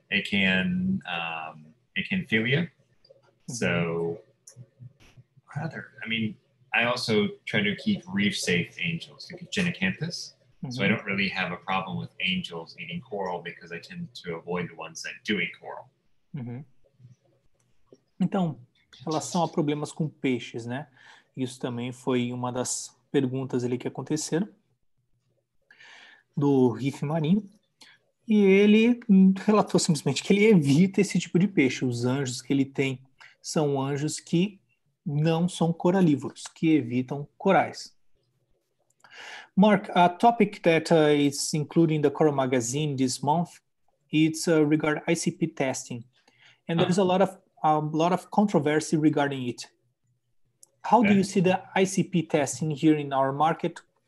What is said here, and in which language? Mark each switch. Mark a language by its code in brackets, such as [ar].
[en] It can feel you. So, rather, I mean, I also try to keep reef-safe angels, like Genacanthus. Mm-hmm. So I don't really have a problem with angels eating coral because I tend to avoid the ones that do eat coral. [pt] Mm-hmm. Então, relação a problemas com peixes, né? Isso também foi uma das perguntas ali que aconteceram do Reef Marinho. E ele relatou simplesmente que ele evita esse tipo de peixe, os anjos que ele tem. São anjos que não são coralívoros, que evitam corais. [en] Mark, a topic that is included in the Coral Magazine this month, it's regarding ICP testing. And there's a lot of controversy regarding it. How do you see the ICP testing here in our market?